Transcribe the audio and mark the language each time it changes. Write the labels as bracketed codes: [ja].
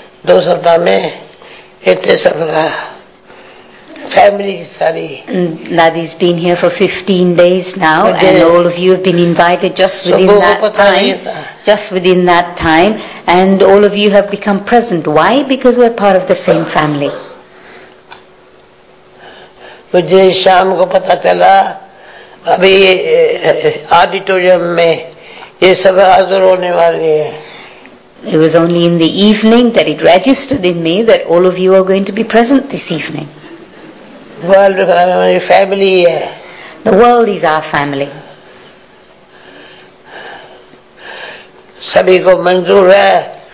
[hi] दो सप्ताह में इतने सब family sorry [en] Nadi's been here for 15 days now and all of you have been invited just within that time and all of you have become present. Why? Because we're part of the same family. [hi] मुझे शाम को पता चला अभी auditorium में ये सब हाजिर होने वाले हैं. [en] It was only in the evening that it registered in me that all of you are going to be present this evening. World is family. The world is our family. [hi] सभी को मंजूर है.